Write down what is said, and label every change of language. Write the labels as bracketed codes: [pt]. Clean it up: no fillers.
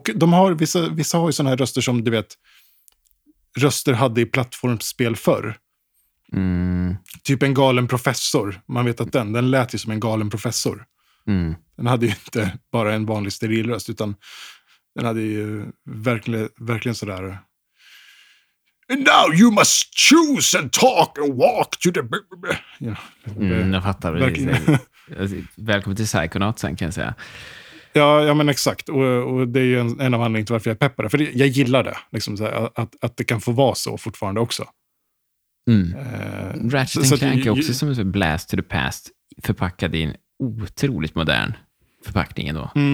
[sv] Och de har vissa har ju såna här röster som, du vet, röster hade i plattformsspel förr. Typ en galen professor. Man vet att den lät ju som en galen professor. Den hade ju inte bara en vanlig steril röst, utan den hade ju verkligen så där. [en] And now you must choose and talk and walk to the... You know, [sv] jag fattar. Välkommen till Psychonauts sen, kan jag säga. Ja, men exakt. Och det är ju en av anledningarna till varför jag peppar det. För jag gillar det, liksom, så här, att det kan få vara så fortfarande också. Ratchet så, and Clank är också som en [en] blast to the past, [sv] förpackad i en otroligt modern förpackning ändå.